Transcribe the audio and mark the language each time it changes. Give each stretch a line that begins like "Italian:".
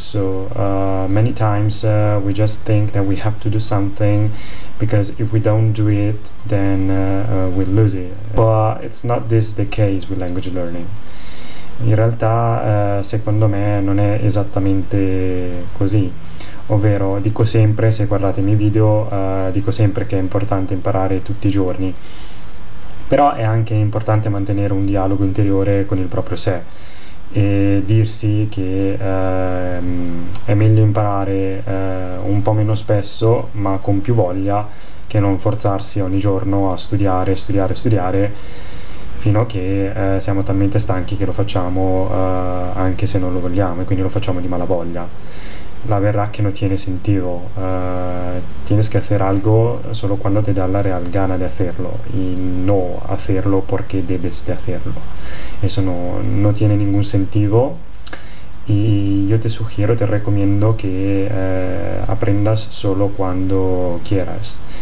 English: So many times we just think that we have to do something because if we don't do it, then we'll lose it. But it's not this the case with language learning.
Italian: In realtà, secondo me, non è esattamente così. Ovvero, dico sempre, se guardate i miei video, dico sempre che è importante imparare tutti i giorni. Però è anche importante mantenere un dialogo interiore con il proprio sé. E dirsi che è meglio imparare un po' meno spesso, ma con più voglia, che non forzarsi ogni giorno a studiare, studiare, studiare, fino a che siamo talmente stanchi che lo facciamo anche se non lo vogliamo, e quindi lo facciamo di malavoglia.
Spanish: La verrà che non tiene sentido. Tienes que hacer algo solo cuando te da la real gana de hacerlo, y no hacerlo porque debes de hacerlo. Eso no tiene ningún sentido. Y yo te sugiero, te recomiendo que aprendas solo cuando quieras.